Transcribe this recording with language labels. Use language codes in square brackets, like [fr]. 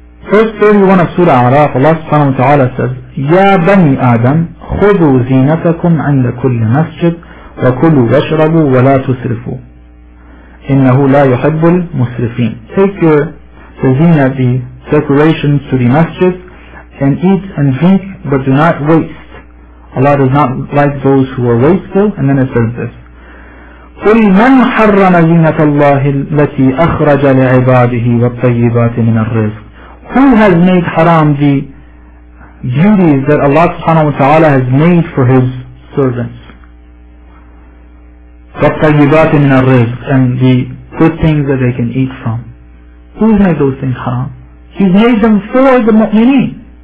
[en] First 31 of Surah Araf, Allah subhanahu wa ta'ala says, [ar] يَا بَنِي آدَمْ خُذُوا زِينَتَكُمْ عِنْدَ كُلِّ مَسْجِدْ وَكُلُوا وَاشْرَبُوا وَلَا تُسْرِفُوا إِنَّهُ لَا يُحِبُّ الْمُسْرِفِينَ. [en] Take your zina, the decorations to the masjid, and eat and drink, but do not waste. Allah does not like those who are wasteful. And then it says this, [ar] قُلْ مَنْ حَرَّمَ زِينَةَ اللَّهِ الَّتِي أَخْرَجَ لِعِبَادِهِ وَالطَّيِّبَاتِ مِنَ الرِّزْقِ. [en] Who has made haram the beauties that Allah subhanahu wa ta'ala has made for His servants? [ar] وَالطَّيِّبَاتِ مِنَ الرِّزْقِ, [en] and the good things that they can eat from. Who's made those things haram? He's made them for the mu'mineen.